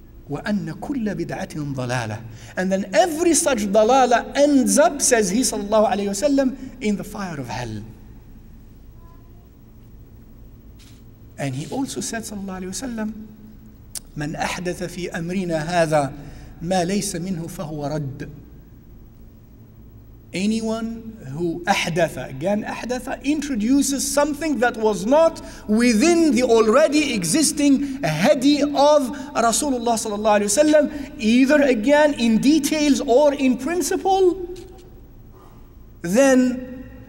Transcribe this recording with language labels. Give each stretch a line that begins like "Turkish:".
Arabic: وَأَنَّ كُلَّ بِدْعَةٍ ضَلَالَةٍ.
English: And then every such dalala ends up, says he sallallahu alayhi wa sallam, in the fire of hell. And he also said sallallahu alayhi wa sallam,
Arabic: مَنْ أَحْدَثَ فِي أَمْرِنَا هَذَا مَا لَيْسَ مِنْهُ فَهُوَ رَدْ.
English: Anyone who أحدث, again أحدث, introduces something that was not within the already existing hadi of Rasulullah sallallahu alayhi wa sallam, either again in details or in principle, then